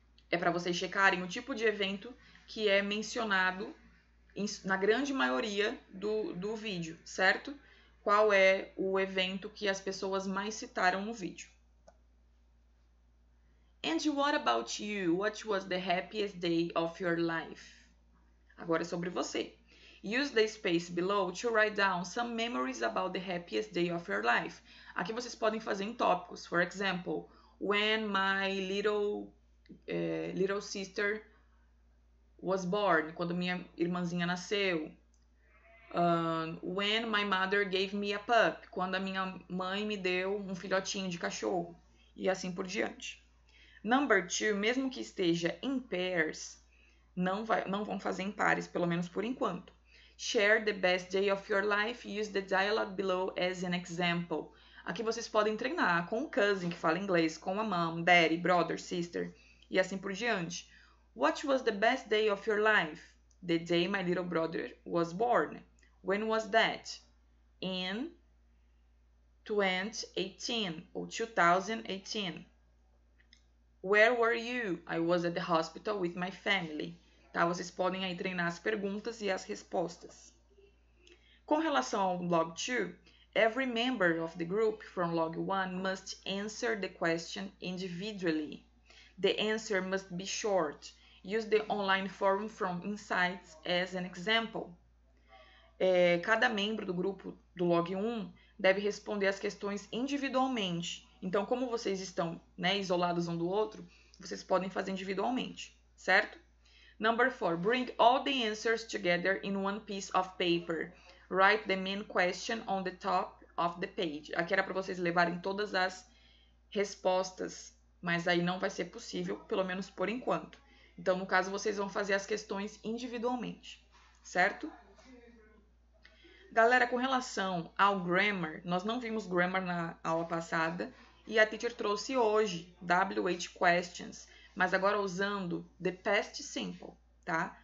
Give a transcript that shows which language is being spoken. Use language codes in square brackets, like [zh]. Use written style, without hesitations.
[pt] É para vocês checarem o tipo de evento que é mencionado na grande maioria do vídeo, certo? Qual é o evento que as pessoas mais citaram no vídeo? [en] And what about you? What was the happiest day of your life? [pt] Agora é sobre você. [en] Use the space below to write down some memories about the happiest day of your life. [pt] Aqui vocês podem fazer em tópicos. [en] For example, when my little sister was born, [pt] quando minha irmãzinha nasceu. [en] When my mother gave me a pup, [pt] quando a minha mãe me deu um filhotinho de cachorro, e assim por diante. [en] Number two, [pt] mesmo que esteja em pairs, não vão fazer em pares, pelo menos por enquanto. [en] Share the best day of your life, use the dialogue below as an example. [pt] Aqui vocês podem treinar com o cousin que fala inglês, com a mom, daddy, brother, sister, e assim por diante. [en] What was the best day of your life? The day my little brother was born. When was that? In 2018 ou 2018. Where were you? I was at the hospital with my family. [pt] Tá? Vocês podem aí treinar as perguntas e as respostas. Com relação ao log 2, [en] every member of the group from log 1 must answer the question individually. The answer must be short. Use the online forum from Insights as an example. [pt] Cada membro do grupo do log 1 deve responder as questões individualmente. Então, como vocês estão, né, isolados um do outro, vocês podem fazer individualmente, certo? [en] Number 4. Bring all the answers together in one piece of paper. Write the main question on the top of the page. [pt] Aqui era para vocês levarem todas as respostas, mas aí não vai ser possível, pelo menos por enquanto. Então, no caso, vocês vão fazer as questões individualmente, certo? Galera, com relação ao grammar, nós não vimos grammar na aula passada e a teacher trouxe hoje WH questions, mas agora usando the past simple, tá?